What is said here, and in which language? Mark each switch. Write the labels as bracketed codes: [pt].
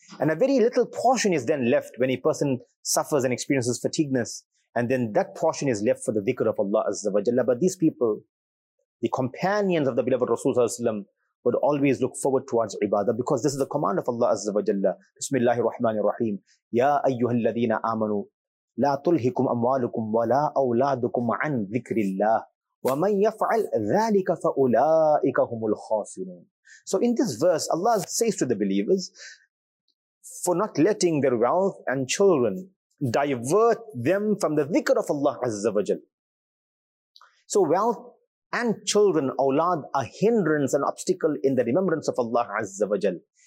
[en] And a very little portion is then left when a person suffers and experiences fatigueness. And then that portion is left for the dhikr of Allah Azza wa Jalla. But these people, the companions of the beloved Rasul Sallallahu Alaihi Wasallam, would always look forward towards ibadah, because this is the command of Allah Azza wa Jalla. Bismillahir Rahmanir Rahim. Ya ayyuhal ladhina amanu. [ar] لا تلهكم أموالكم ولا أولادكم عن ذكر الله ومن يفعل ذلك فأولئك هم الخاسرون. [en] So in this verse, Allah says to the believers, for not letting their wealth and children divert them from the dhikr of Allah Azza wa Jal. So wealth and children, awlad, a hindrance and obstacle in the remembrance of Allah Azza wa Jal.